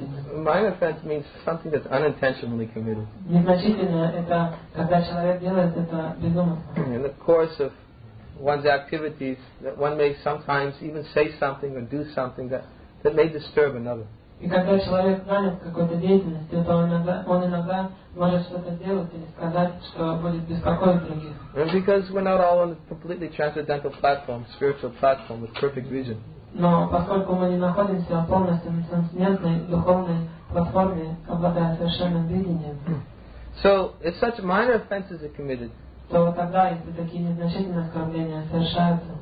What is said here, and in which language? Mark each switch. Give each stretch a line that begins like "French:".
English: A minor offense means something that's unintentionally committed. In the course of one's activities, that one may sometimes even say something or do something that may disturb another.
Russian: И когда человек занят какой-то деятельностью, то он иногда может что-то делать или сказать, что будет беспокоить других.
English: And because we're not all on a completely transcendental platform, spiritual platform with perfect vision.
Russian: Но поскольку мы не находимся полностью на трансцендентной духовной платформе, обладая совершенным видением.
English: So if such minor offenses are committed,
Russian: то тогда если такие незначительные оскорбления совершаются,